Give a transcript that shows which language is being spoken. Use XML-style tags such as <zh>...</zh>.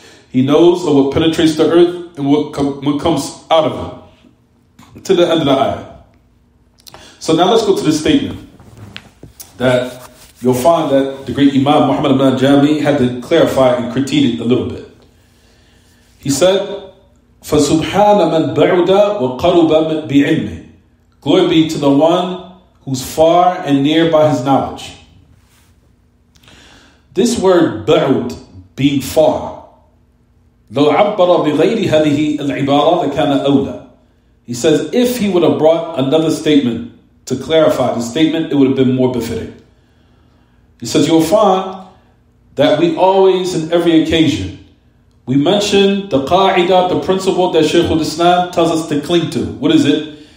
<en>He knows of what penetrates the earth and what comes out of it. To the end of the ayah. So now let's go to the statement that you'll find that the great Imam Muhammad ibn Jami had to clarify and critique it a little bit. He said,</en> <ar>فَسُبْحَانَ مَنْ بَعُدَ وَقَرُبَ بِعِلْمِهِ.</ar> <en>Glory be to the one who's far and near by his knowledge. This word</en> <ar>بعد,</ar> <en>being far,</en> <ar>لو عبر بغير هذه العبارة لكان أولى.</ar> <en>He says, if he would have brought another statement to clarify the statement, it would have been more befitting. He says, you'll find that we always, in every occasion, we mention the qa'idah, the principle that Shaykh al-Islam tells us to cling to. What is it?</en>